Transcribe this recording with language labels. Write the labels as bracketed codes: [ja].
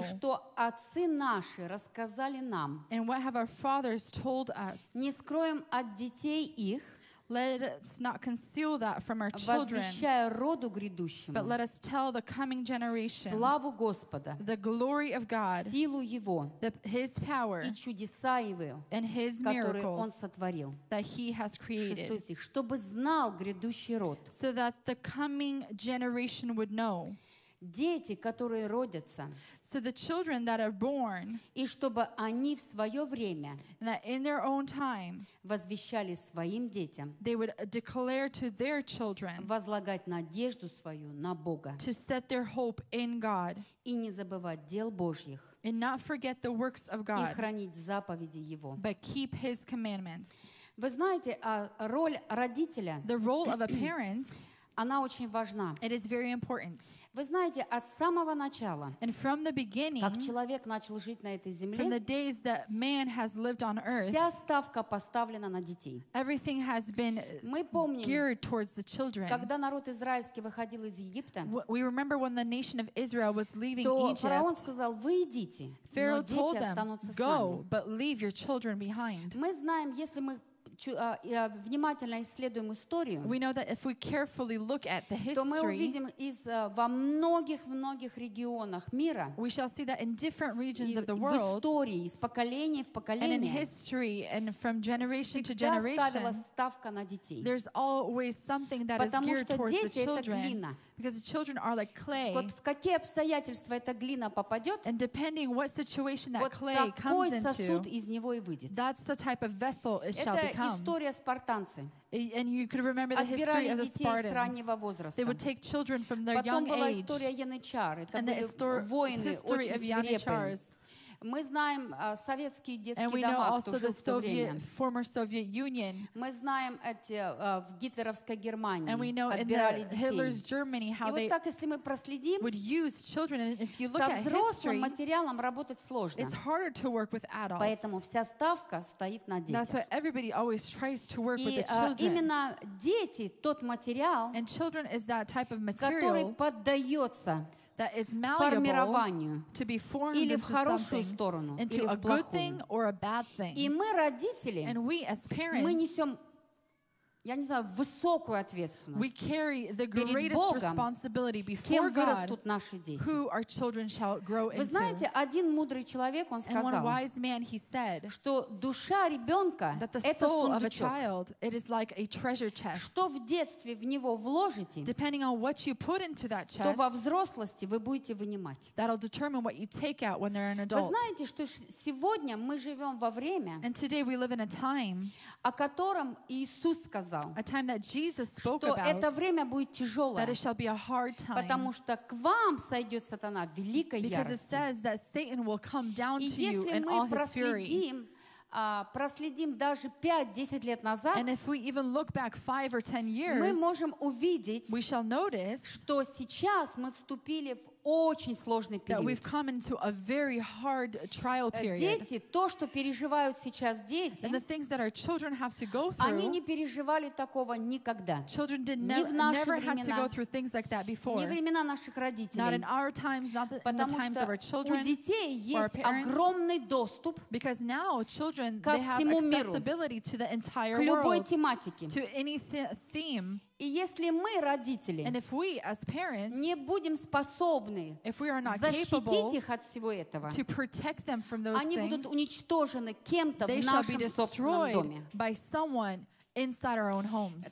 [ru] И что отцы наши рассказали нам? [en] And what have our fathers told us? [ru] Не скроем от детей их. [en] Let us not conceal that from our children. [ru] Возвещая роду грядущему. [en] But let us tell the coming generations. [ru] Славу Господа. [en] The glory of God. [ru] Силу Его. [en] His power. [ru] И чудеса Его. [en] And His miracles. [ru] Которые Он сотворил. [en] That He has created. [ru] Шестой стих. Чтобы знал грядущий род. [en] So that the coming generation would know. [ru] Дети, которые родятся. [en] So the children that are born. [ru] И чтобы они в свое время. [en] And that in their own time. [ru] Возвещали своим детям. [en] They would declare to their children. [ru] Возлагать надежду свою на Бога. [en] To set their hope in God. [ru] И не забывать дел Божьих. [en] And not forget the works of God. [ru] И хранить заповеди Его. [en] But keep His commandments. [ru] Вы знаете, роль родителя. [en] The role of a parent. [ru] Она очень важна. [en] It is very important. [ru] Вы знаете, от самого начала, [en] and from the beginning, [ru] как человек начал жить на этой земле, [en] from the days that man has lived on earth, [ru] вся ставка поставлена на детей. [en] Everything has been [ru] Мы помним, [en] geared towards the children. [ru] Когда народ израильский выходил из Египта, [en] we remember when the nation of Israel was leaving [ru] то [en] Egypt, [ru] фараон сказал, вы идите, [en] Pharaoh [ru] но дети [en] told them, [ru] останутся [en] go, [ru] с вами. [en] But leave your children behind. [ru] Мы знаем, если мы внимательно исследуем историю, [en] we know that if we carefully look at the history, [ru] то мы увидим из, во многих-многих регионах мира, [en] we shall see that in different regions of the world, [ru] в истории, из поколения в поколение, [en] and in history, and from generation to generation, [ru] всегда ставилась ставка на детей. [en] There's always something that [ru] Потому [en] is geared towards the children. [ru] Это глина. [en] Because the children are like clay. [ru] Вот в какие обстоятельства эта глина попадет, [en] and depending what situation that [ru] вот [en] clay comes into, [ru] такой сосуд из него и выйдет. [en] That's the type of vessel it shall become. [ru] Это история спартанцы. [en] And you could remember the history of the Spartans. [ru] Отбирали детей с раннего возраста. [en] They would take children from their young age. [ru] Потом была история янычар. Это были воины очень свирепые. Мы знаем советские детские дома в то же время. [en] And we know also the Soviet Union. [ru] Мы знаем эти в гитлеровской Германии. [en] And we know in Hitler's Germany how they. [ru] И вот так, если мы проследим. [en] Would use children, and if you look at history. [ru] Со взрослым материалом работать сложно. [en] It's harder to work with adults. [ru] Поэтому вся ставка стоит на детях. [en] That's why everybody always tries to work with the children. [ru] И именно дети тот материал. [en] And children is that type of material. [ru] Который поддается. [en] That is malleable to be formed into something, [ru] сторону, [en] into a good thing or a bad thing. [ru] Мы, родители, [en] and we as parents, [ru] мы несем, я не знаю, высокую ответственность [en] we carry the greatest [ru] Богом, [en] responsibility before God, who our children shall grow [ru] Вы [en] into. [ru] Знаете, один мудрый человек, он сказал, [en] and one wise man, he said, [ru] что душа ребенка, [en] that the soul [ru] сундучок, [en] of a child, it is like a treasure chest. [ru] Что в детстве в него вложите, [en] depending on what you put into that chest, [ru] то во взрослости вы будете вынимать. [en] That'll determine what you take out when they're an adult. [ru] Вы знаете, что сегодня мы живем во время, [en] and today we live in a time, [ru] о котором Иисус сказал, [en] a time that Jesus spoke [ru] что [en] about, [ru] это время будет тяжелое, [en] that it shall be a hard time, [ru] потому что к вам сойдет сатана в великой ярости. [en] Because it says that Satan will come down to you in all his fury. [ru] И если мы проследим проследим даже 5-10 лет назад, [en] and if we even look back 5 or 10 years, [ru] мы можем увидеть, [en] we shall notice, [ru] что сейчас мы вступили в очень сложный период. [en] That we've come into a very hard trial period. [ru] Дети, то, что переживают сейчас дети, [en] and the things that our children have to go through, [ru] они не переживали такого никогда. [en] Children did never had to go through things like that before. [ru] Не в времена наших родителей. [en] Not in our times, not the, in the times of our children. [ru] У детей есть огромный доступ. [en] Because now children, they have accessibility to the entire world. [ru] К любой тематике. [en] To any theme. [ru] И если мы, родители, не будем способны защитить их от всего этого, они будут уничтожены кем-то в нашем собственном доме. [en] Inside our own homes.